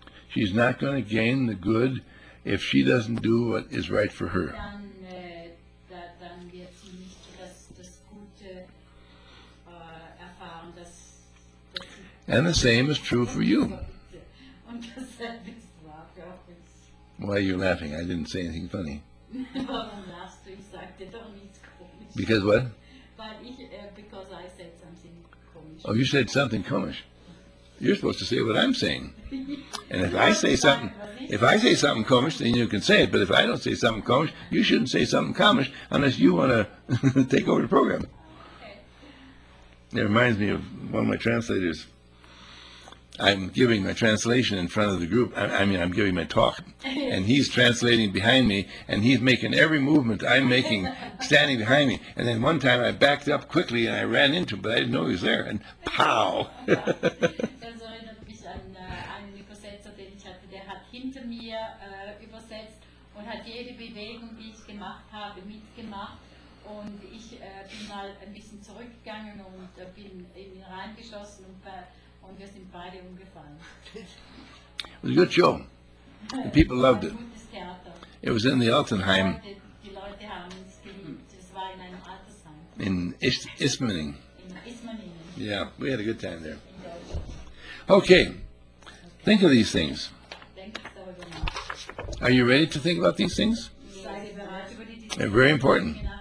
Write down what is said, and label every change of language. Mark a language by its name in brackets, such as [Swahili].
[English] She's not going to gain the good if she doesn't do what is right for her. [German] Dann wird sie nicht das Gute erfahren, dass [English] And the same is true for you. [German] Und dasselbe ist wahr für uns. [English] Why are you laughing? I didn't say anything funny. [German] Warum lachst du? Ich sagte doch nichts komisch. [English] Because what? Because I said something komisch. Oh, you said something komisch. You're supposed to say what I'm saying. And if I say something, if I say something komisch, then you can say it. But if I don't say something komisch, you shouldn't say something komisch unless you want to take over the program. Okay. It reminds me of one of my translators. I'm giving my translation in front of the group. I'm giving my talk. And he's translating behind me, and he's making every movement I'm making, standing behind me. And then one time I backed up quickly, and I ran into him, but I didn't know he was there. And pow! [German] Das erinnert mich an einen Übersetzer, den ich hatte. Der hat hinter mir übersetzt und hat jede Bewegung, die ich gemacht habe, mitgemacht. Und ich bin mal ein bisschen zurückgegangen und bin in ihn reingeschossen und Und wir sind beide umgefallen. [English] It was a good show. The people loved it. [German] Gutes Theater. [English] It was in the Altenheim. [German] Die Leute haben es geliebt. Es war in einem Altersheim. [English] In Ismaning. [German] In Ismaning. [English] Yeah, we had a good time there. Okay. Think of these things. [German] Denk darüber nach. [English] Are you ready to think about these things? They're very important.